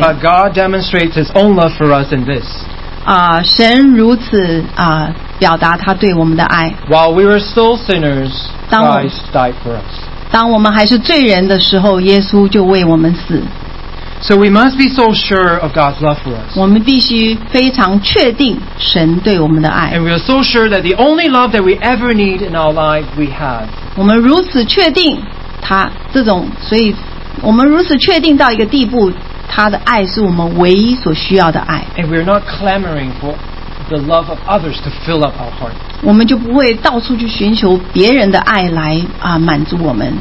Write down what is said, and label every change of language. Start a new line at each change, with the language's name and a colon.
English: But God demonstrates His own love for us in this.
Chinese: 神如此表达他对我们的爱。
English: While we were still sinners, Christ died for us.
Chinese: 当我们还是罪人的时候，耶稣就为我们死。
English: So we must be so sure of God's love for us.
Chinese: 我们必须非常确定神对我们的爱。
English: And we are so sure that the only love that we ever need in our life we have.
Chinese: 我们如此确定他这种，所以我们如此确定到一个地步，他的爱是我们唯一所需要的爱。
English: And we are not clamoring for the love of others to fill up our heart.
Chinese: 我们就不会到处去寻求别人的爱来满足我们。